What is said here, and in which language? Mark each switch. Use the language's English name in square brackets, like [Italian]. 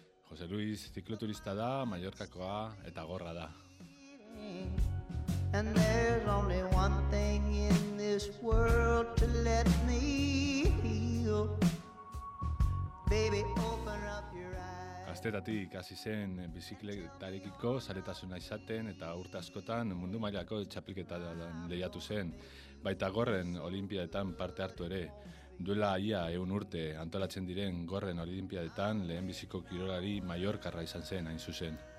[Basque] Jose Luis zikloturista da, Mallorcakoa eta gorra da. [English] And there's only one thing in this world to let me heal. Baby, open up your eyes. [Basque] Gaztetatik hasi zen bizikletarekiko zaletasuna izaten eta urte askotan mundu mailako txapelketa lehiatu zen. Baita gorren olimpiadetan parte hartu ere. Duela ia 100 urte antolatzen diren gorren olimpiadetan lehenbiziko kirolari Mallorcarra izan zen hain zuzen.